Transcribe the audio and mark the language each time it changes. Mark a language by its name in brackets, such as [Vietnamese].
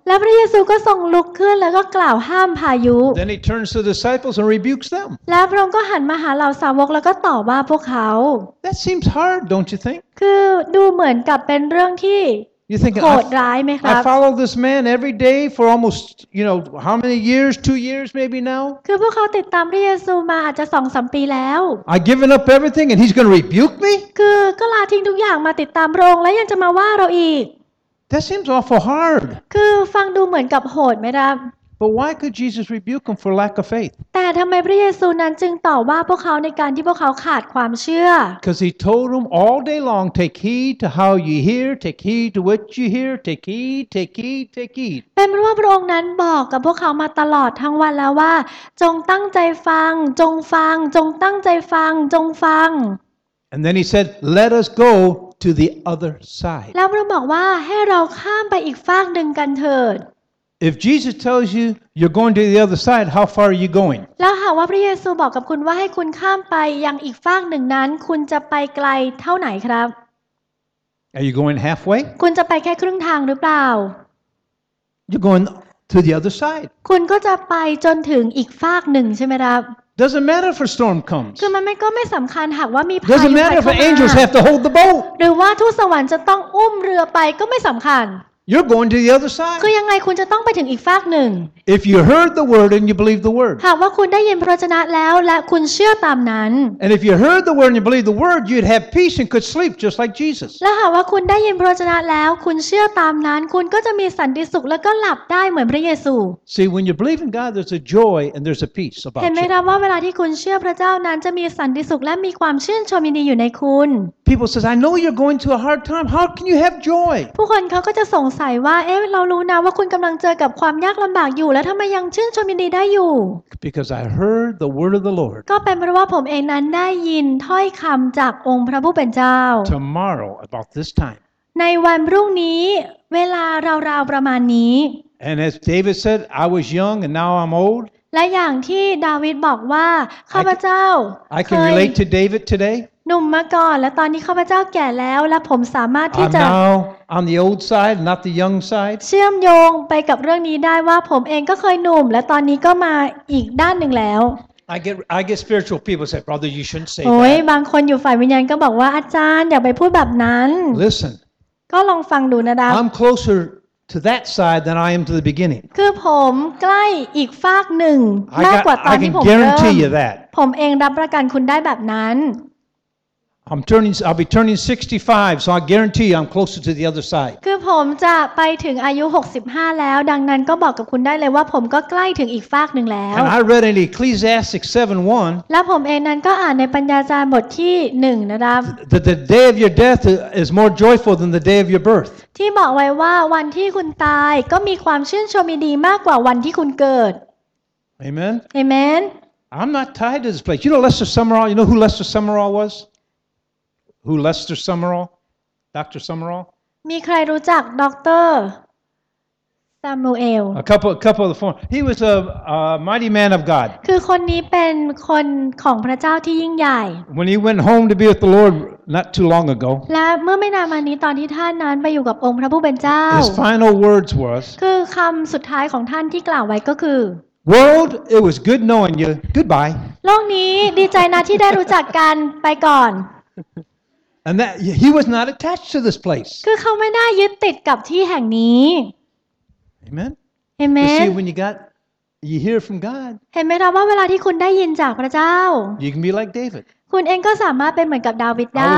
[Thai] แล้วพระเยซูก็ทรงลุกขึ้นแล้วก็กล่าวห้ามพายุ [English] Then he turns to the disciples and rebukes them. [Thai] แล้วพระองค์ก็หันมาหาเหล่าสาวกแล้วก็ตอบว่าพวกเขา [English] That seems hard, don't you think? [Thai] คือดูเหมือนกับเป็นเรื่องที่โหดร้ายไหมครับ [English] I follow this man every day for almost, you know, how many years? 2 years maybe now? [Thai] คือพวกเขาติดตามพระเยซูมาอาจจะ 2-3 ปีแล้ว [English] I've given up everything and he's going to rebuke me? [Thai] คือก็ลาทิ้งทุกอย่างมาติดตามพระองค์แล้วยังจะมาว่าเราอีก [English] That seems awful hard. [Thai] คือฟังดูเหมือนกับโหดไหมครับ [English] But why could Jesus rebuke them for lack of faith? [Thai] แต่ทำไมพระเยซูนั้นจึงตอบว่าพวกเขาในการที่พวกเขาขาดความเชื่อ [English] Because he told them all day long, take heed to how you hear, take heed to what you hear, take heed, take heed, take heed. [Thai] เป็นเพราะว่าพระองค์นั้นบอกกับพวกเขามาตลอดทั้งวันแล้วว่าจงตั้งใจฟังจงฟังจงตั้งใจฟังจงฟัง [English] And then he said, let us go. To the other side. [Thai] แล้วพระองค์บอกว่าให้เราข้ามไปอีกฟากหนึ่งกันเถิด [English] If Jesus tells you you're going to the other side, how far are you going? [Thai] แล้วหากว่าพระเยซูบอกกับคุณว่าให้คุณข้ามไปยังอีกฟากหนึ่งนั้นคุณจะไปไกลเท่าไหนครับ [English] Are you going halfway? [Thai] คุณจะไปแค่ครึ่งทางหรือเปล่า [English] You're going to the other side. [Thai] คุณก็จะไปจนถึงอีกฟากหนึ่งใช่ไหมครับ [English] Doesn't matter if a storm comes. [Thai] คือมันไม่ก็ไม่สำคัญหากว่ามีพ ายุไปข้างหน้า [English] Doesn't matter if angels have to hold the boat. [Thai] หรือว่าทูตสวรรค์จะต้องอุ้มเรือไปก็ไม่สำคัญ [English] You're going to the other side. [Thai] คือยังไงคุณจะต้องไปถึงอีกฟากหนึ่ง [English] If you heard the word and you believe the word. [Thai] หากว่าคุณได้ยินพระวจนะแล้วและคุณเชื่อตามนั้น [English] And if you heard the word and you believe the word, you'd have peace and could sleep just like Jesus. [Thai] และหากว่าคุณได้ยินพระวจนะแล้วคุณเชื่อตามนั้นคุณก็จะมีสันติสุขแล้วก็หลับได้เหมือนพระเยซู [English] See when you believe in God, there's a joy and there's a peace about you. [Thai] เห็นไหมครับว่าเวลาที่คุณเชื่อพระเจ้านั้นจะมีสันติสุขและมีความชื่นชมยินดีอยู่ในคุณ [English] People says, "I know you're going through a hard time. How can you have joy?" [Thai] ผู้คนเขาก็จะสงสัยว่าเอ๊ะเรารู้นะว่าคุณกำลังเจอกับความยากลำบากอยู่แล้วทำไมยังชื่นชมยินดีได้อยู่ [English] Because I heard the word of the Lord. [Thai] ก็เป็นเพราะว่าผมเองนั้นได้ยินถ้อยคำจากองค์พระผู้เป็นเจ้า [English] Tomorrow about this time. [Thai] ในวันพรุ่งนี้เวลาราวๆประมาณนี้ [English] And as David said, "I was young, and now I'm old." [Thai] และอย่างที่ดาวิดบอกว่าข้าพเจ้า [English] I can relate to David today. [Thai] หนุ่มมาก่อนและตอนนี้ข้าพเจ้าแก่แล้วและผมสามารถที่จะ [English] I'm now on the old side, not the young side. [Thai] เชื่อมโยงไปกับเรื่องนี้ได้ว่าผมเองก็เคยหนุ่มและตอนนี้ก็มาอีกด้านหนึ่งแล้ว [English] I get spiritual people say, brother, you shouldn't say that. [Thai] โอ้ยบางคนอยู่ฝ่ายวิญญาณก็บอกว่าอาจารย์อย่าไปพูดแบบนั้น [English] Listen. [Thai] ก็ลองฟังดูนะครับ [English] I'm closer to that side than I am to the beginning. [Thai] คือผมใกล้อีกฟากหนึ่งมากกว่าตอนที่ผมเริ่ม [English] I can guarantee you that. [Thai] ผมเองรับประกันคุณได้แบบนั้น [English] I'll be turning 65, so I guarantee I'm closer to the other side. [Thai] คือผมจะไปถึงอายุ65แล้วดังนั้นก็บอกกับคุณได้เลยว่าผมก็ใกล้ถึงอีกฟากหนึ่งแล้ว [English] And I read in Ecclesiastes 7:1. [Thai] และผมเองนั้นก็อ่านในปัญญาจารย์บทที่1นะครับ [English] That the day of your death is more joyful than the day of your birth. [Thai] ที่บอกไว้ว่าวันที่คุณตายก็มีความชื่นชมยินดีมากกว่าวันที่คุณเกิด [English] Amen. Amen. I'm not tied to this place. You know Lester Summerall. You know who Lester Summerall was? Who Lester Summerall? Dr. Summerall? [Thai] มีใครรู้จักด็อกเตอร์ซามูเอล [English] A couple of the four. He was a mighty man of God. [Thai] คือคนนี้เป็นคนของพระเจ้าที่ยิ่งใหญ่ [English] When he went home to be with the Lord not too long ago. [Thai] และเมื่อไม่นานมานี้ตอนที่ท่านนั้นไปอยู่กับองค์พระผู้เป็นเจ้า [English] His final words was. [Thai] คือคำสุดท้ายของท่านที่กล่าวไว้ก็คือ [English] World, it was good knowing you. Goodbye. [Thai] โลกนี้ดีใจนะที่ได้รู้จักกันไปก่อน [English] And that he was not attached to this place. [Thai] คือเขาไม่ได้ยึดติดกับที่แห่งนี้ [English] Amen. Amen. You see, when you hear from God. [Thai] เห็นไหมครับว่าเวลาที่คุณได้ยินจากพระเจ้า [English] You can be like David. [Thai] คุณเองก็สามารถเป็นเหมือนกับดาวิดได้